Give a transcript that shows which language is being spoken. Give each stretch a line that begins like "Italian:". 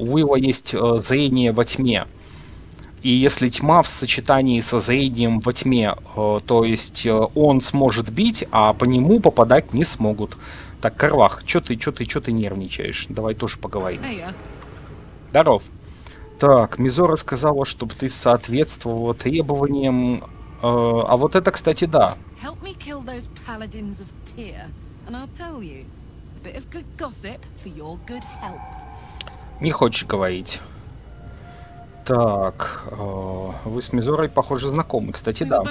Russian: У Уилла есть зрение во тьме. И если тьма в сочетании со зрением во тьме, то есть он сможет бить, а по нему попадать не смогут. Так, Карвах, чё ты нервничаешь? Давай тоже поговорим. Здоров. Так, Мизора сказала, чтобы ты соответствовал требованиям. А вот это, кстати, да.
English: Help me kill those paladins of Tyr. And I'll tell you, a bit of good gossip for your good help.
Russian: Не хочешь говорить. Так, вы с Мизорой, похоже, знакомы, кстати, да.